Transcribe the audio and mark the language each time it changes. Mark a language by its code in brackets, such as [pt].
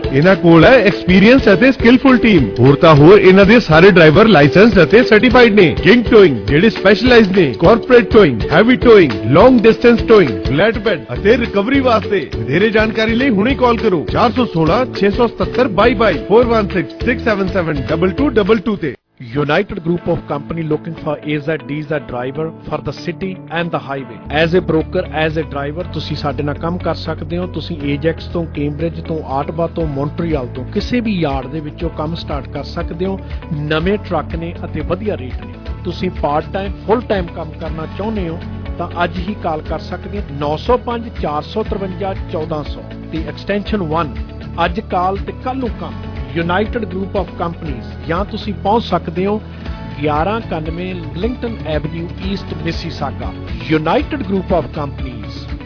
[pa] ਇਹਨਾਂ ਕੋਲ ਹੈ ਐਕਸਪੀਰੀਅੰਸ ਅਤੇ ਸਕਿੱਲਫੁਲ ਟੀਮ ਹੋਰ ਤਾਂ ਹੋਰ ਇਹਨਾਂ ਦੇ ਸਾਰੇ ਡਰਾਈਵਰ ਲਾਇਸੈਂਸ ਅਤੇ ਸਰਟੀਫਾਈਡ ਨੇ ਕਿੰਗ ਟੋਇੰਗ ਜਿਹੜੇ ਸਪੈਸ਼ਲਾਈਜ਼ਡ ਨੇ ਕਾਰਪੋਰੇਟ ਟੋਇੰਗ ਹੈਵੀ ਟੋਇੰਗ ਲੌਂਗ ਡਿਸਟੈਂਸ ਟੋਇੰਗ ਫਲੈਟ ਬੈਡ ਅਤੇ ਰਿਕਵਰੀ ਵਾਸਤੇ ਵਧੇਰੇ ਜਾਣਕਾਰੀ ਲਈ ਹੁਣੇ ਕਾਲ ਕਰੋ 416-677-2222 416-677-2222 ਤੇ [en] United Group of Company looking for AZDs a driver for the city and the highway. As a broker, as a driver, [pa] ਤੁਸੀਂ ਸਾਡੇ ਨਾਲ ਕੰਮ ਕਰ ਸਕਦੇ ਹੋ ਤੁਸੀਂ Ajax ਤੋਂ Cambridge ਤੋਂ Ottawa ਤੋਂ Montreal ਤੋਂ ਕਿਸੇ ਵੀ ਯਾਰਡ ਦੇ ਵਿੱਚੋਂ ਕੰਮ ਸਟਾਰਟ ਕਰ ਸਕਦੇ ਹੋ ਨਵੇਂ ਟਰੱਕ ਨੇ ਅਤੇ ਵਧੀਆ ਰੇਟ ਨੇ ਤੁਸੀਂ ਪਾਰਟ ਟਾਈਮ ਫੁੱਲ ਟਾਈਮ ਕੰਮ ਕਰਨਾ ਚਾਹੁੰਦੇ ਹੋ ਤਾਂ ਅੱਜ ਹੀ ਕਾਲ ਕਰ ਸਕਦੇ ਹੋ 905-453-1400 ਤੇ ਐਕਸਟੈਂਸ਼ਨ 1 ਅੱਜ ਕਾਲ ਤੇ ਕੱਲ ਨੂੰ ਕੰਮ United Group of Companies ਜਾਂ ਤੁਸੀਂ ਪਹੁੰਚ ਸਕਦੇ ਹੋ 1191 ਲਿੰਕਟਨ avenue East Mississauga United Group of Companies